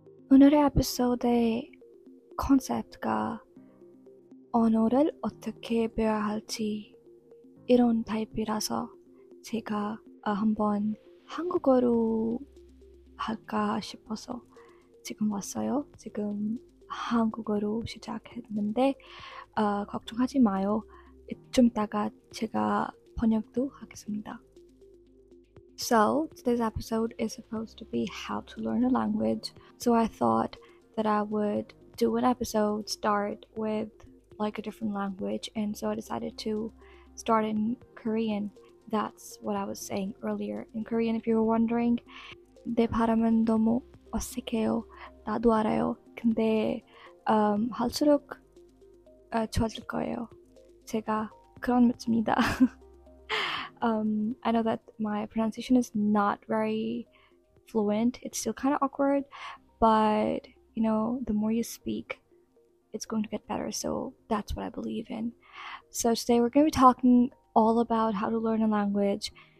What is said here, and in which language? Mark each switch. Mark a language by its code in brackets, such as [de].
[ko] 오늘의 에피소드의 컨셉트가 언어를 어떻게 배워야 할지 이런 타입이라서 제가 한번 한국어로 할까 싶어서 지금 왔어요. 지금 한국어로 시작했는데 걱정하지 마요. 좀 이따가 제가 번역도 하겠습니다. [en] So, today's episode is supposed to be how to learn a language. So I thought that I would do an episode, start with like a different language. And so I decided to start in Korean. That's what I was saying earlier. In Korean, if you were wondering, [ko] 내 발음은 너무 어색해요. 나도 알아요. 근데 할수록 좋아질 거예요. 제가 그런 말입니다. [en] I know that my pronunciation is not very fluent. It's still kind of awkward, but you know, the more you speak, it's going to get better. So that's what I believe in. So today we're going to be talking all about how to learn a language.